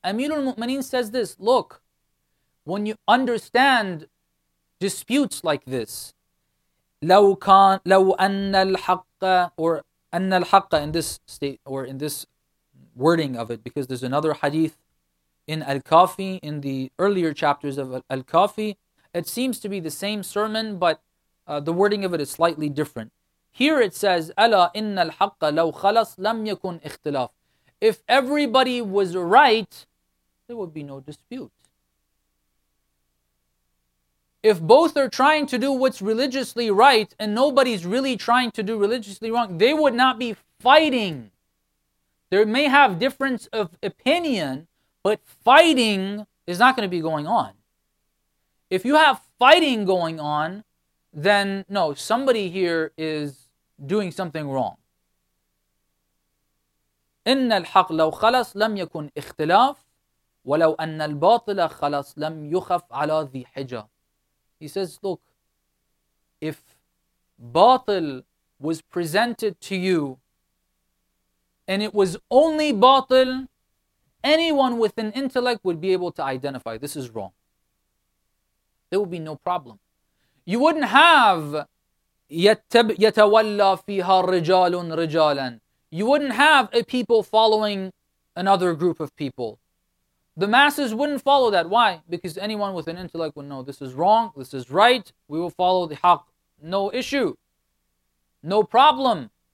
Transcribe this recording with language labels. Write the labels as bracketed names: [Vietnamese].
[English] Amir al-Mu'mineen says this, look, when you understand disputes like this, [Arabic] لو كان لو أن الحق [English] or [Arabic] أن الحق [English] in this state or in this wording of it, because there's another hadith in Al-Kafi, in the earlier chapters of Al-Kafi. It seems to be the same sermon, but the wording of it is slightly different. [Arabic] Here it says, أَلَا إِنَّ الْحَقَّ لَوْ خَلَصْ لَمْ يَكُنْ اِخْتِلَافٍ. [English] If everybody was right, there would be no dispute. If both are trying to do what's religiously right, and nobody's really trying to do religiously wrong, they would not be fighting. There may have difference of opinion, but fighting is not going to be going on. If you have fighting going on, then no, somebody here is doing something wrong. [Arabic] إِنَّ الْحَقَّ لَوْ خَلَصْ لَمْ يَكُنْ إِخْتِلَافٌ وَلَوْ أَنَّ الْبَاطِلَ خَلَصْ لَمْ يُخَفْ عَلَى ذِي حِجَةٍ. [English] He says, look, if batil was presented to you, and it was only batil, anyone with an intellect would be able to identify this is wrong. There would be no problem. You wouldn't have [Arabic] يتولى فيها رجال رجالا. [English] You wouldn't have a people following another group of people. The masses wouldn't follow that. Why? Because anyone with an intellect would know this is wrong, this is right. We will follow the haq. No issue. No problem.